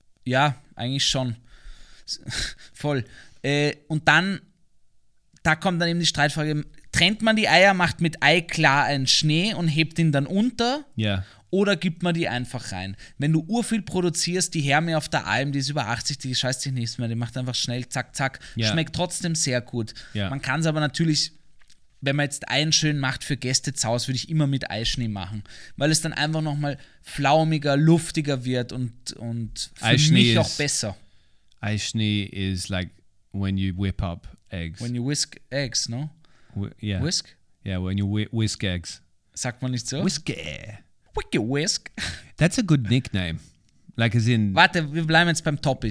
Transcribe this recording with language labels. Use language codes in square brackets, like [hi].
[de] Ja, eigentlich schon. Voll. Und dann, da kommt dann eben die Streitfrage, trennt man die Eier, macht mit Ei klar einen Schnee und hebt ihn dann unter? Ja. Oder gibt man die einfach rein? Wenn du urviel produzierst, die Herme auf der Alm, die ist über 80, die scheißt sich nichts mehr, die macht einfach schnell, zack, zack. [en] Yeah. [de] Schmeckt trotzdem sehr gut. [en] Yeah. [de] Man kann es aber natürlich, wenn man jetzt einen schön macht für Gäste zu Hause, würde ich immer mit Eischnee machen, weil es dann einfach nochmal flaumiger, luftiger wird und für Eischnee mich ist, auch besser. [en] Eischnee is like when you whip up eggs. When you whisk eggs, no? Yeah. Whisk? Yeah, when you whisk eggs. [de] Sagt man nicht so? [en] Whiskey. Wicky whisk. That's a good nickname. Like as in... [de] Warte, wir bleiben jetzt beim Topic.